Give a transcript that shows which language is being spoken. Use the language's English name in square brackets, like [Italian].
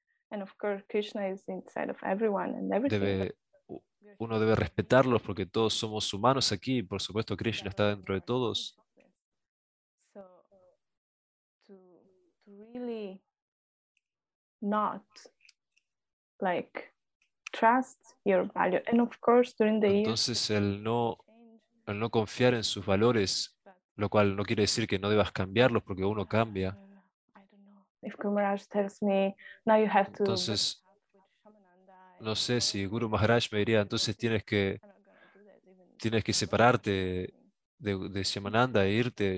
[English] And of course, Krishna is inside of everyone and everything. [Spanish] Uno debe respetarlos porque todos somos humanos aquí. Por supuesto, Krishna está dentro de todos. [English] So, to really not like trust your value. And of course, during the [Spanish] entonces el no confiar en sus valores, lo cual no quiere decir que no debas cambiarlos porque uno cambia. [English] If Guru Maharaj tells me, now you have to. [Spanish] Entonces, no sé si Guru Maharaj me diría, entonces tienes que separarte de Shamananda e irte.